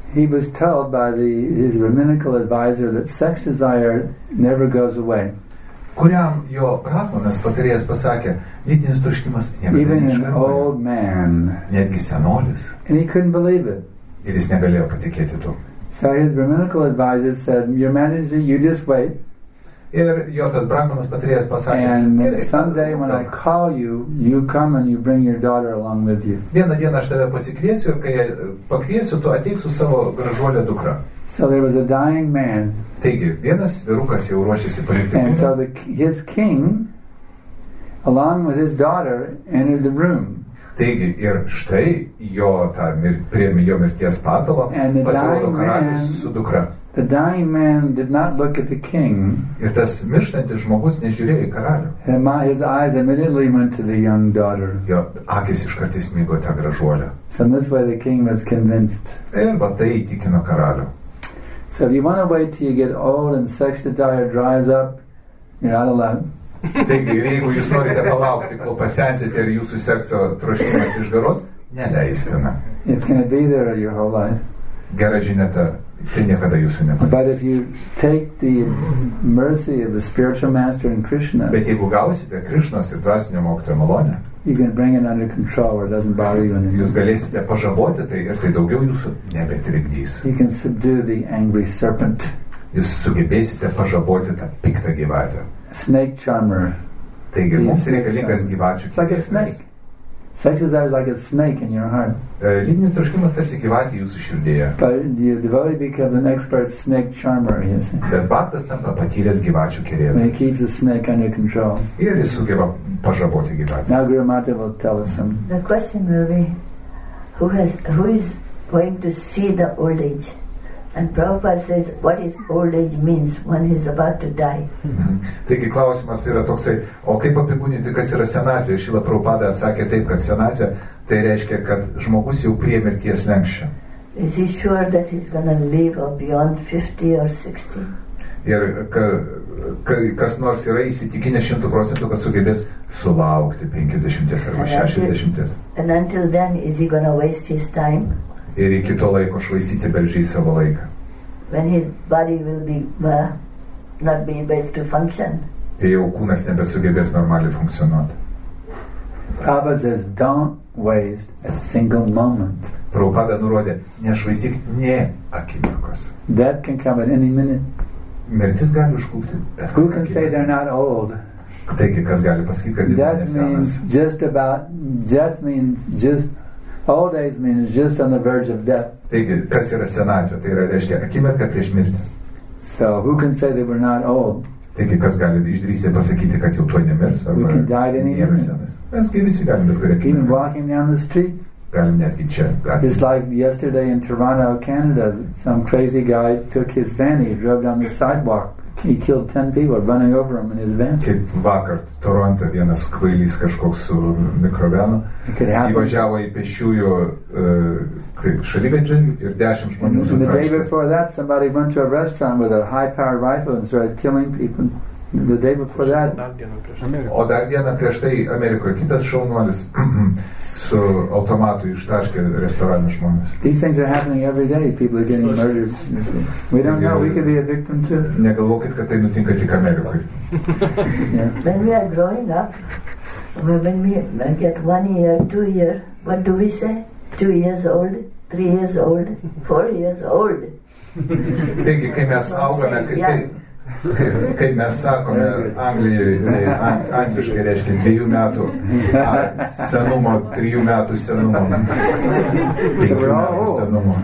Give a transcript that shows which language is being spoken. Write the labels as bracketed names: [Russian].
[English] He was told by his rabbinical advisor that sex desire never goes away. [Lithuanian] Kuriam jo rabinas patarėjas pasakė, lytinis troškimas [English] even an old man. [Lithuanian] Netgi senolis. [English] And he couldn't believe it. [Lithuanian] Ir jis negalėjo patikėti to. [English] So his rabbinical advisor said, Your Majesty, you just wait. [Lithuanian] Ir jo tas brangumas patrėjas pasakė. [English] And someday when I call you, you come and you bring your daughter along with you. [Lithuanian] Vieną dieną aš tave pasikviesiu ir kai pakviesiu, tu ateik su savo gražuolė dukra. [English] So there was a dying man. [Lithuanian] Taigi, vienas vyrukas jau ruošėsi palikti. [English] And so his king, along with his daughter, entered the room. [Lithuanian] Taigi, ir štai jo tą priėmė jo mirties patalą, pasirodo karalius su dukra. [English] The dying man did not look at the king. [Lithuanian] Ir tas mirštantis žmogus nežiūrėjo į karalių. [English] His eyes immediately went to the young daughter. [Lithuanian] Jo akis iškart įsmigo tą gražuolę. [English] So in this way the king was convinced. [Lithuanian] Ir va tai įtikino karalių. [English] So if you want to wait till you get old and sex desire dries up, you're not allowed. [Lithuanian] Taigi, jeigu jūs norite palaukti, kol pasensite ir jūsų sekso troškimas išgaros, neleistina. [English] It's going to be there your whole life. [Lithuanian] Gera žinia ta, tai niekada jūsų nepaliks. [English] But if you take the mercy of the spiritual master in Krishna, [Lithuanian] bet jeigu gausite Krishnos ir dvasinio mokytojo malonę, [English] you can bring it under control where it doesn't bother you anymore. [Lithuanian] Jūs galėsite pažaboti tai ir tai daugiau jūsų nebetrikdys. [English] You can subdue the angry serpent. [Lithuanian] Jūs sugebėsite pažaboti tą piktą gyvatę. [English] Snake charmer. [Lithuanian] Taigi, mums reikalingas gyvačių kitės. [English] It's like a snake. Sex desire is like a snake in your heart. [Lithuanian] Lytinis troškimas tarsi gyvatė jūsų širdėje. [English] But the devotee becomes an expert snake charmer, you see. [Lithuanian] Bet baktas tampa patyręs gyvačių kerėtojas. [English] He keeps the snake under control. [Lithuanian] Ir jis sugeba pažaboti gyvatę. [English] Now Guru Mata will tell us some. The question will be, who is going to see the old age? And Prabhupada says, what is old age means when he's about to die? [Lithuanian] Taigi klausimas yra toksai, o kaip apibūdinti, kas yra senatvė? Šila Prabhupada atsakė taip, kad senatvė, tai reiškia, kad žmogus jau prie mirties lenkščio. [English] Is he sure that he's going to live or beyond 50 or 60? [Lithuanian] Ir kas nors yra įsitikinęs 100%, kad sugebės sulaukti 50 ar 60. [English] And until then, is he going to waste his time? [Lithuanian] Ir iki to laiko švaistyti beržiai savo laiką. [English] When his body will be not be able to function. [Lithuanian] Kai jau kūnas nebesugebės normaliai funkcionuoti. [English] Prabhupada says, don't waste a single moment. [Lithuanian] Prabhupada nurodė, nešvaistyk nė akimirkos. [English] Death can come at any minute. [Lithuanian] Mirtis gali užklupti. [English] Who can say they're not old? [Lithuanian] Taigi, kas gali pasakyti, kad jis nesenas? [English] Death means just old days means just on the verge of death. [Lithuanian] Taigi, kas yra senatvė? Tai yra, reiškia, akimirka prieš mirtį. [English] So, who can say that we're not old? [Lithuanian] Taigi, kas gali išdrįsti pasakyti, kad jau tuo nemirs? [English] We can die at any minute. [Lithuanian] Mes kai visi galim bet kurią akimirką. [English] Even walking down the street? [Lithuanian] Galim netgi čia. [English] It's like yesterday in Toronto, Canada, some crazy guy took his van, he drove down the sidewalk. He killed 10 people running over him in his van. [Lithuanian] Kaip vakar Toronto vienas kvailys kažkoks su mikrovenu įvažiavo į pešiųjų šalyvedžių ir 10 žmonių sutraškė. [English] And the day before that, somebody went to a restaurant with a high-powered rifle and started killing people. The day before that. [Lithuanian] O dar dieną prieš tai Amerikoje kitas šaunuolis su automatu ištaškė restoranų žmonės. [English] These things are happening every day. People are getting murdered. We don't know. We could be a victim too. [Lithuanian] Negalvokit, kad tai nutinka tik Amerikoje. [English] When we are growing up, when we get 1 year, 2 year, what do we say? 2 years old, 3 years old, 4 years old. [Lithuanian] Taigi, kai mes augame, kaip mes sakome angliškai reiškia 2 metų senumo, 3 metų senumo, 5 metų senumo.